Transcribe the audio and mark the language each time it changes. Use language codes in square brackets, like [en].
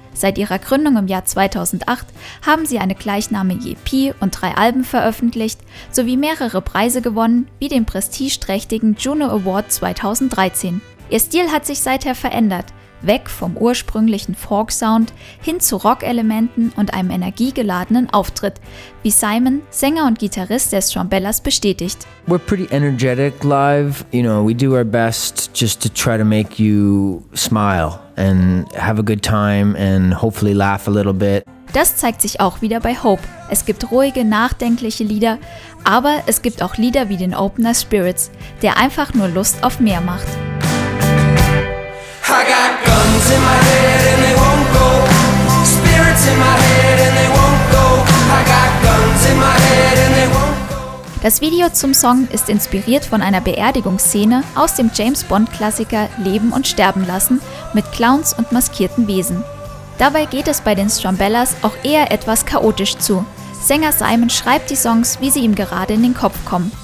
[de] Seit ihrer Gründung im Jahr 2008 haben sie eine gleichnamige EP und drei Alben veröffentlicht, sowie mehrere Preise gewonnen, wie den prestigeträchtigen Juno Award 2013. Ihr Stil hat sich seither verändert, weg vom ursprünglichen Folk-Sound hin zu Rock-Elementen und einem energiegeladenen Auftritt, wie Simon, Sänger und Gitarrist des John Bellas, bestätigt. [en] We're pretty energetic live, you know, we do our best just to try to make you smile and have a good time and hopefully laugh a little bit. [de] Das zeigt sich auch wieder bei Hope. Es gibt ruhige, nachdenkliche Lieder, aber es gibt auch Lieder wie den Opener Spirits, der einfach nur Lust auf mehr macht. [en] I got guns in my head and they won't go. Spirits in my head and they won't go. I got guns in my head and they won't go. [de] Das Video zum Song ist inspiriert von einer Beerdigungsszene aus dem James Bond Klassiker Leben und Sterben lassen mit Clowns und maskierten Wesen. Dabei geht es bei den John Bellas auch eher etwas chaotisch zu. Sänger Simon schreibt die Songs, wie sie ihm gerade in den Kopf kommen.